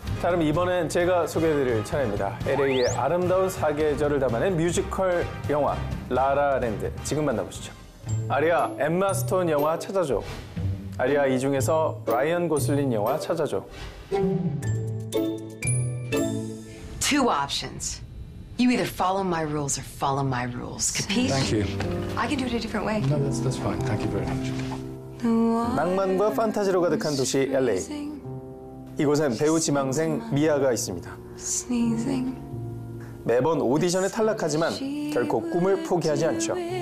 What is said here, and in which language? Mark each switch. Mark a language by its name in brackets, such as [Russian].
[Korean] 자, 그럼 이번엔 제가 소개해드릴 차례입니다. LA의 아름다운 사계절을 담아낸 뮤지컬 영화 라라랜드 지금 만나보시죠. 아리아, 엠마 스톤 영화 찾아줘. 아리아, 이 중에서 라이언 고슬린 영화 찾아줘. [English] Two options. You either follow my rules or follow my rules. [Italian] Capisce? [English] Thank you. I can do it a different way. No, that's fine. Thank you very much. [Korean] 낭만과 판타지로 가득한 도시 LA. 이곳엔 배우 지망생 미아가 있습니다. 매번 오디션에 탈락하지만 결코 꿈을 포기하지 않죠.